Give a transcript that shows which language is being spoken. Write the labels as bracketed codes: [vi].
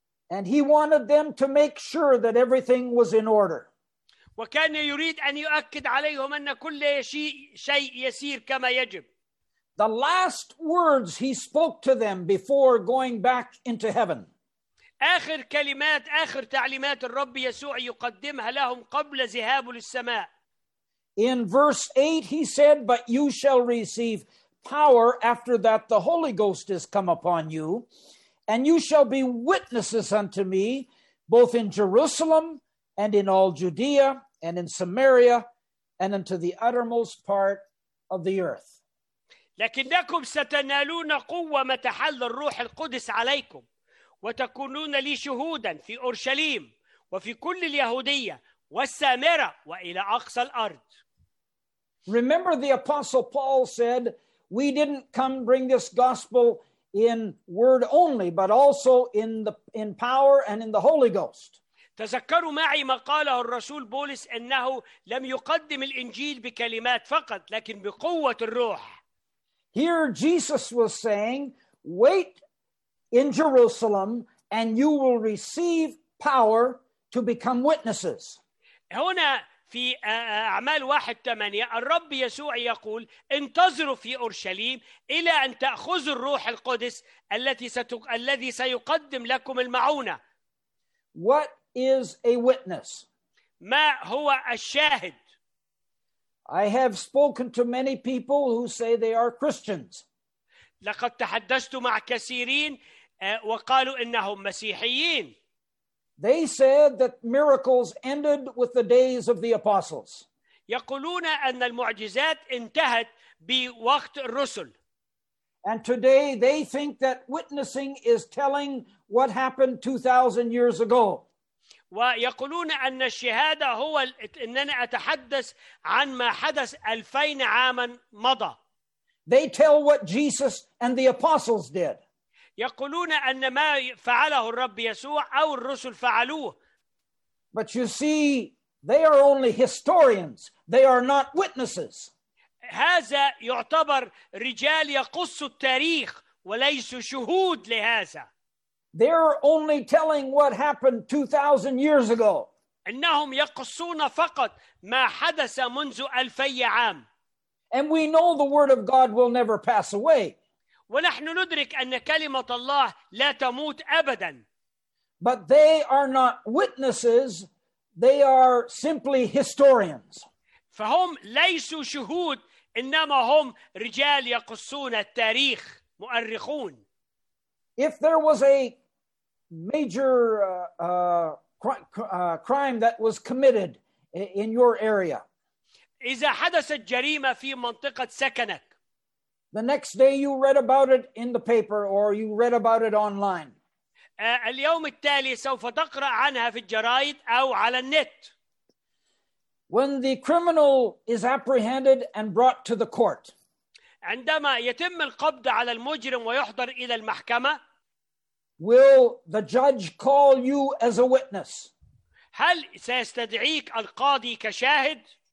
[en] And he wanted them to make sure that everything was in order. [ar] وكان يريد أن يؤكد عليهم أن كل شيء يسير كما يجب. [en] The last words he spoke to them before going back into heaven. [ar] آخر كلمات آخر تعليمات الرب يسوع يقدمها لهم قبل ذهابه للسماء. [en] In verse 8 he said, but you shall receive power after that the Holy Ghost has come upon you, and you shall be witnesses unto me both in Jerusalem and in all Judea and in Samaria and unto the uttermost part of the earth. [ar] لكنكم ستنالون قوة متى حل الروح القدس عليكم وتكونون لي شهودا في أورشليم وفي كل اليهودية والسامرة وإلى أقصى الأرض. [en] Remember the Apostle Paul said, we didn't come bring this gospel in word only, but also in power and in the Holy Ghost. [ar] تذكروا معي ما قاله الرسول بولس أنه لم يقدم الإنجيل بكلمات فقط لكن بقوة الروح. [en] Here Jesus was saying, wait in Jerusalem and you will receive power to become witnesses. [ar] هنا في أعمال 1:8 الرب يسوع يقول انتظروا في أورشليم إلى أن تأخذوا الروح القدس الذي سيقدم لكم المعونة. [en] What is a witness? [ar] ما هو الشاهد؟ [en] I have spoken to many people who say they are Christians. [ar] لقد تحدثت مع كثيرين وقالوا إنهم مسيحيين. [en] They said that miracles ended with the days of the apostles. [ar] يقولون أن المعجزات انتهت بوقت الرسل. [en] And today they think that witnessing is telling what happened 2,000 years ago. [ar] ويقولون أن الشهادة هو أننا أتحدث عن ما حدث 2000 عاما مضى. [en] They tell what Jesus and the apostles did. [ar] يقولون أن ما فعله الرب يسوع أو الرسل فعلوه. [en] But you see, they are only historians. They are not witnesses. [ar] هذا يعتبر رجال يقص التاريخ وليس شهود لهذا. [en] They're only telling what happened 2,000 years ago. [ar] إنهم يقصون فقط ما حدث منذ 2000 عام. [en] And we know the word of God will never pass away. [ar] ونحن ندرك أن كلمة الله لا تموت أبداً. [en] But they are not witnesses, they are simply historians. [ar] فهم ليسوا شهود إنما هم رجال يقصون التاريخ مؤرخون. [en] If there was a major crime that was committed in your area, [ar] إذا حدثت جريمة في منطقة سكنك, [en] the next day you read about it in the paper or you read about it online. [ar] اليوم التالي سوف تقرأ عنها في الجرائد أو على النت. [en] When the criminal is apprehended and brought to the court, [ar] عندما يتم القبض على المجرم ويحضر إلى المحكمة, [en] will the judge call you as a witness? [ar] هل سيستدعيك القاضي كشاهد?